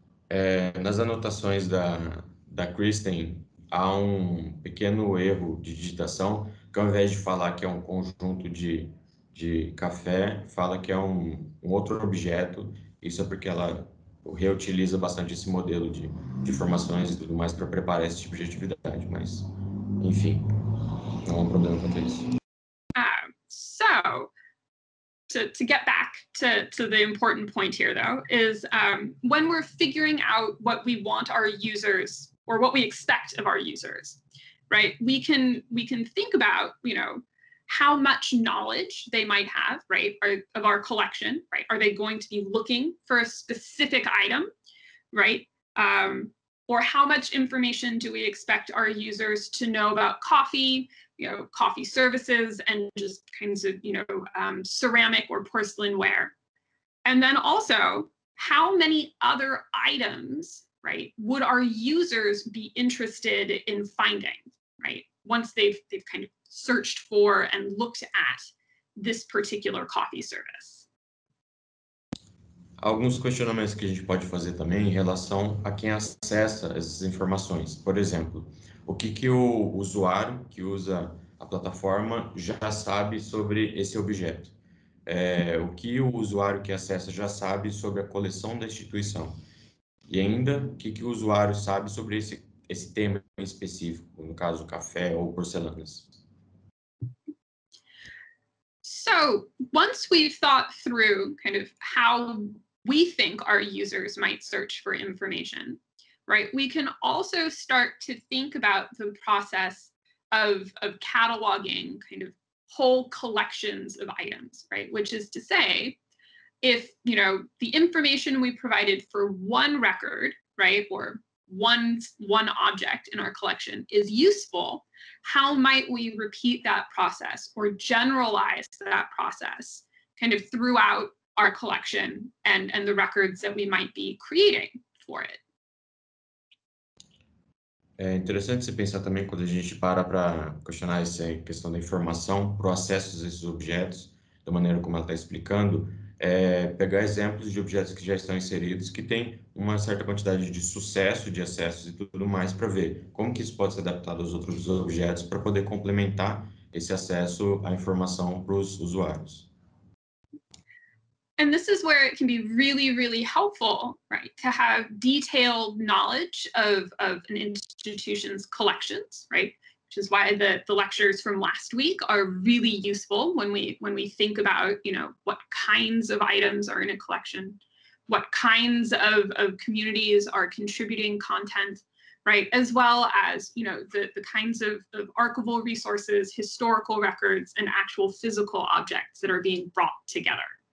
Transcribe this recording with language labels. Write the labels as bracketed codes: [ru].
[pt] Nas anotações da Kristen, há um pequeno erro de digitação, que ao invés de falar que é um conjunto de café, fala que é um outro objeto. Isso é porque ela reutiliza bastante esse modelo de informações e tudo mais para preparar esse tipo de atividade, mas, enfim, não é um problema quanto a isso. [en] So, to get back to the important point here, though, is when we're figuring out what we want our users, or what we expect of our users, right, we can think about, you know, how much knowledge they might have, right, of our collection, right? Are they going to be looking for a specific item, right? Or how much information do we expect our users to know about coffee, you know, coffee services, and just kinds of, you know, ceramic or porcelain ware? And then also, how many other items, right, would our users be interested in finding, right? Once they've kind of searched for and looked at this particular coffee service. [pt] Alguns questionamentos que a gente pode fazer também em relação a quem acessa essas informações. Por exemplo, o que que o usuário que usa a plataforma já sabe sobre esse objeto? O que o usuário que acessa já sabe sobre a coleção da instituição? E ainda, o que que o usuário sabe sobre esse tema em específico, no caso, café ou porcelanas? [en] So, once we've thought through kind of how we think our users might search for information, right, we can also start to think about the process of cataloging kind of whole collections of items, right, which is to say, if, you know, the information we provided for one record, right, or one object in our collection is useful, how might we repeat that process or generalize that process kind of throughout our collection and the records that we might be creating for it? [pt] É interessante se pensar também quando a gente para questionar essa questão da informação para o acesso a esses objetos, da maneira como ela está explicando, é pegar exemplos de objetos que já estão inseridos, que têm uma certa quantidade de sucesso, de acessos e tudo mais, para ver como que isso pode ser adaptado aos outros objetos para poder complementar esse acesso à informação para os usuários. [en] And this is where it can be really, really helpful, right, to have detailed knowledge of an institution's collections, right, which is why the lectures from last week are really useful when we think about, you know, what kinds of items are in a collection, what kinds of communities are contributing content, right, as well as, you know, the kinds of archival resources, historical records, and actual physical objects that are being brought together.